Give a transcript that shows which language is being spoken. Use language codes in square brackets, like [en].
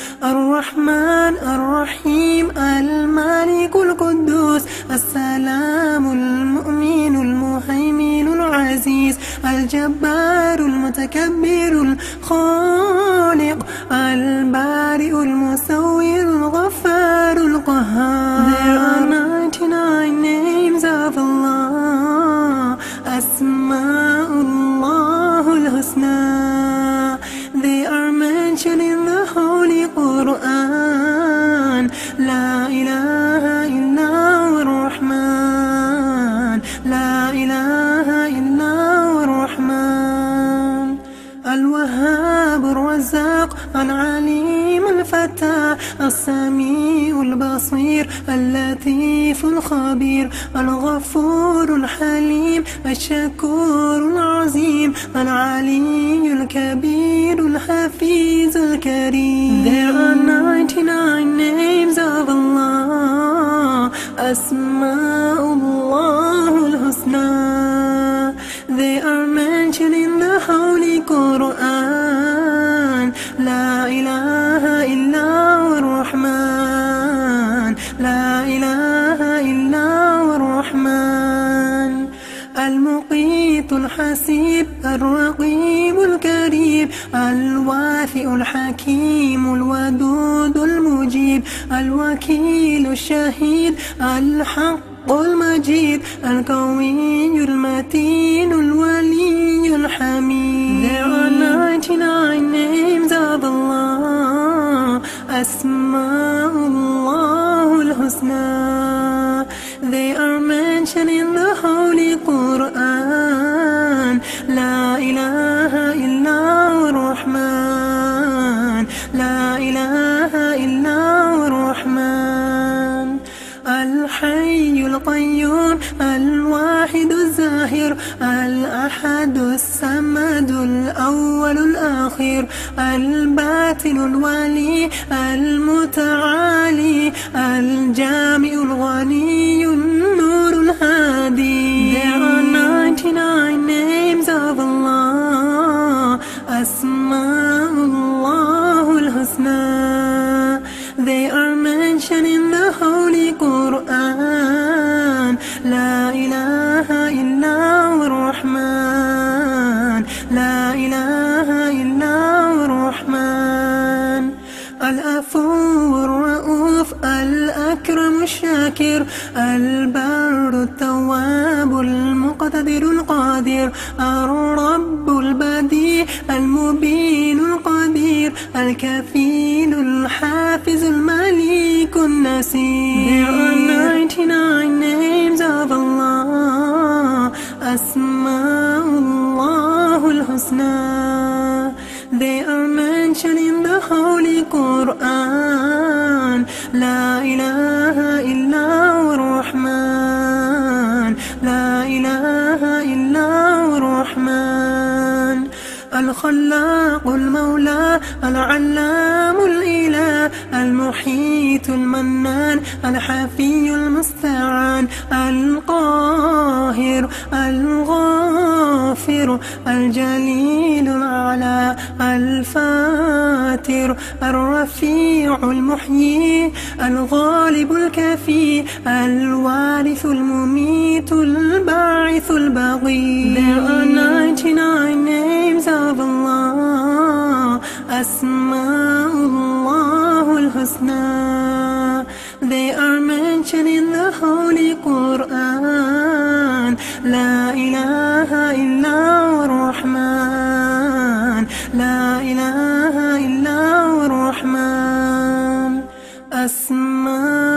[ar] الرحمن الرحيم الملك القدوس السلام المؤمن المهيمن العزيز الجبار المتكبر الخالق البارئ المسوي الغفار القهار. [en] There are 99 names of Allah. [ar] أسماء الله الحسنى. [en] They are mentioned in the Holy Quran. [ar] لا إله إلا هو الرحمن. لا إله إلا هو الرحمن. الوهاب الرزاق العليم الفتاح السميع البصير اللطيف الخبير الغفور الحليم الشكور العظيم العلي الكبير الحفيظ الكريم. [en] There are 99 names of Allah. [ar] أسماء الله الحسنى. [en] They are mentioned in the Holy Quran. [ar] لا إله إلا هو الرحمن. لا إله إلا هو الرحمن. المقيت الحسيب الرقيب الكريم الوافئ الحكيم الودود المجيب الوكيل الشهيد الحق المجيد القوي المتين الولي الحميد. [en] There are 99 names of Allah. [ar] أسماء الله الحسنى. [en] They are mentioned in the Holy Quran. [ar] لا إله إلا هو الرحمن. لا إله إلا هو الرحمن. الحي القيوم الواحد الظاهر الأحد الصمد الأول الآخر الباطن الولي المتعالي الجامع الغني النور الهادي. [en] There are 99 names of Allah. [ar] أسماء الله الحسنى. [en] They are mentioned in the Holy Quran. [ar] لا إله إلا هو الرحمن. لا إله إلا هو الرحمن. العفو الرؤوف الأكرم الشاكر البار التواب المقتدر القادر الرب البديع المبين القدير الكفيل الحافظ المليك النسير. [en] There are 99 names of Allah. [ar] أسماء الله الحسنى. [en] They are mentioned in the Holy Quran. [ar] لا إله إلا هو الرحمن. لا إله إلا هو الرحمن. الخلاق المولى العلام الإله المحيط المنان الحفي المستعان القاهر الغافر الجليل العلا الفاتر الرفيع المحيي الغالب الكفي الوارث المميت الباعث البغي. [en] There are 99 names of Allah. [ar] أسماء الله الحسنى. [en] They are mentioned in the Holy Quran. [ar] لا إله إلا هو الرحمن. لا إله إلا هو الرحمن. أسماء الله الحسنى.